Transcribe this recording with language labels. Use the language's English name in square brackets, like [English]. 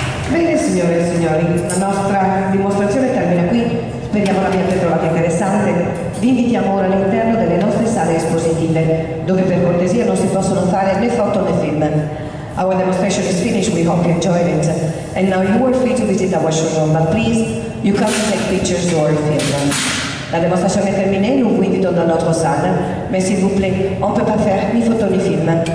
[Italian] Bene signore e signori, la nostra dimostrazione termina qui. Speriamo l'abbiate trovato interessante. Vi invitiamo ora all'interno delle nostre sale espositive, dove per cortesia non si possono fare né foto né film. [English] Our demonstration is finished, we hope you enjoyed it. And now you are free to visit our showroom, but please, you can take pictures or film. [French] La démonstration est terminée, nous vous invitons dans notre salle. Mais s'il vous plaît, on ne peut pas faire ni photo ni film.